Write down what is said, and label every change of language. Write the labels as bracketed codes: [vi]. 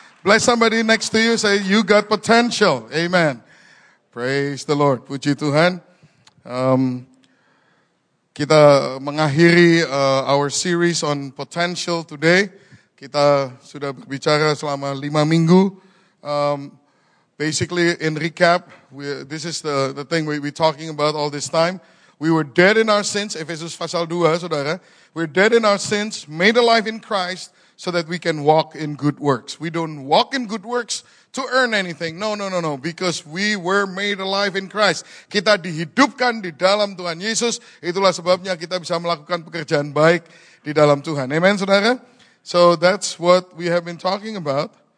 [en] Bless somebody next to you. Say, you got potential. Amen. Praise the Lord. Puji Tuhan. Kita mengakhiri our series on potential today. [id] Kita sudah berbicara selama 5 minggu. [en] Basically, in recap, this is the thing we're talking about all this time. We were dead in our sins. Ephesus pasal 2, saudara. We're dead in our sins, made alive in Christ, so that we can walk in good works. We don't walk in good works to earn anything. No. Because we were made alive in Christ. [id] Kita dihidupkan di dalam Tuhan Yesus. Itulah sebabnya kita bisa melakukan pekerjaan baik di dalam Tuhan. Amen, saudara? [en] So that's what we have been talking about.